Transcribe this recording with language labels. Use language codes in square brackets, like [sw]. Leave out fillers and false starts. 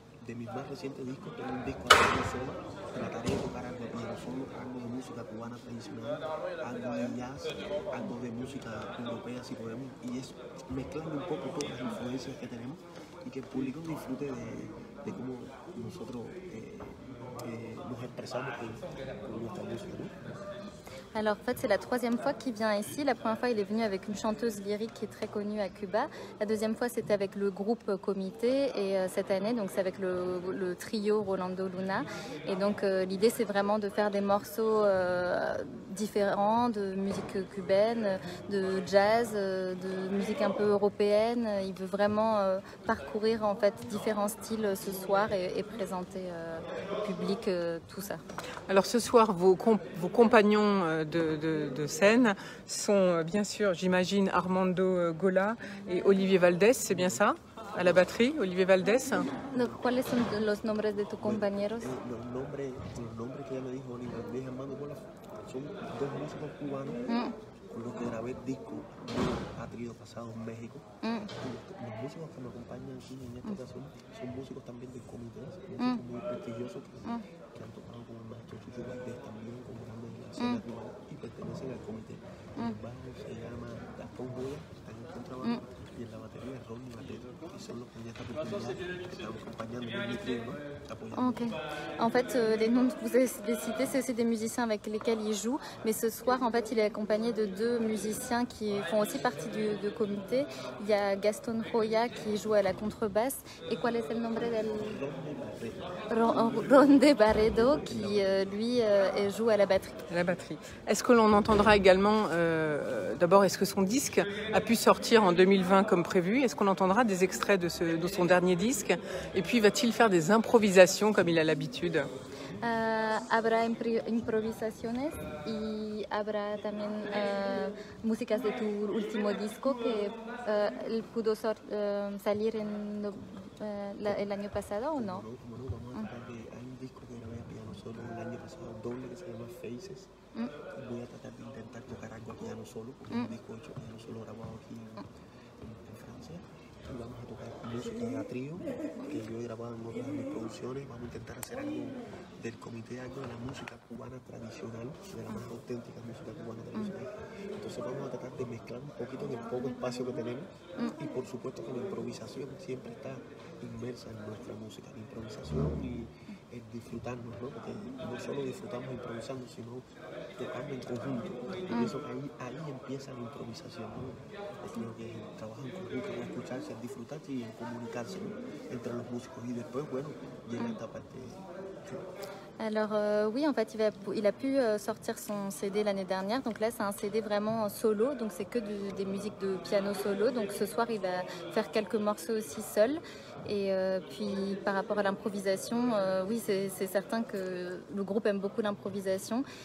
[es] de mis más recientes discos, tengo un disco de la zona, trataré de tocar algo de la zona, algo de música cubana tradicional, algo de jazz, algo de música europea, si podemos, y es mezclando un poco todas las influencias que tenemos y que el público disfrute de cómo nosotros nos expresamos con nuestra música, ¿no? [fr] Alors en fait c'est la troisième fois qu'il vient ici, la première fois il est venu avec une chanteuse lyrique qui est très connue à Cuba, la deuxième fois c'était avec le groupe Comité et cette année donc c'est avec le trio Rolando Luna et donc l'idée c'est vraiment de faire des morceaux différents de musique cubaine, de jazz, de musique un peu européenne, il veut vraiment parcourir en fait différents styles ce soir et présenter au public tout ça. Alors ce soir vos compagnons de scène sont bien sûr, j'imagine, Armando Gola et Olivier Valdés, c'est bien ça? À la batterie, Olivier Valdés. [es] ¿Cuáles son los nombres de tus compañeros? Los nombres que ya me dijo Olivier Valdés y Armando Gola son dos músicos cubanos con los que grabé disco ha tenido pasado en México. Los músicos que me acompañan aquí en esta ocasión son músicos también de Comité, son muy prestigiosos que han tocado con el maestro Chucho Valdés también, con grandes relaciones y pertenecen al Comité. El bajo se llama Gastón Goya, está en contrabajo y en la batería es Ronnie Valdés, y son los que en esta oportunidad están acompañando en mi tiempo, apoyando. Okay. [fr] En fait, les noms que vous avez cités, c'est des musiciens avec lesquels il joue. Mais ce soir, en fait, il est accompagné de deux musiciens qui font aussi partie du Comité. Il y a Gastón Goya qui joue à la contrebasse. Et quel est le nom de Ronde Barredo qui, lui, joue à la batterie. La batterie. Est-ce que l'on entendra également, d'abord, est-ce que son disque a pu sortir en 2020 comme prévu? Est-ce qu'on entendra des extraits de son dernier disque? Et puis, va-t-il faire des improvisations comme il a l'habitude? [es] Habrá improvisaciones y habrá también músicas de tu último disco que pudo salir en el año pasado o no? Hay un disco que grabé a piano solo el año pasado, doble, que se llama Faces. Voy a tratar de intentar tocar algo a piano solo, porque un disco hecho a piano solo grabado aquí en Francia. Y vamos a tocar música de trío que yo he grabado en otras de mis producciones. Vamos a intentar hacer algo del Comité, algo de la música cubana tradicional, de la más auténtica música cubana tradicional. Entonces vamos a tratar de mezclar un poquito en el poco espacio que tenemos y por supuesto que la improvisación siempre está inmersa en nuestra música, la improvisación y el disfrutarnos, ¿no? Porque no solo disfrutamos improvisando, sino tocando en conjunto. Y eso ahí empieza la improvisación, ¿no? Es lo que es el trabajo en conjunto, en escucharse, en disfrutarse y en comunicarse, ¿no? Entre los músicos. Y después, bueno, llega esta parte. [fr] Alors oui, en fait, il a pu sortir son CD l'année dernière. Donc là, c'est un CD vraiment solo. Donc c'est que des musiques de piano solo. Donc ce soir, il va faire quelques morceaux aussi seul. Et puis par rapport à l'improvisation, oui, c'est certain que le groupe aime beaucoup l'improvisation.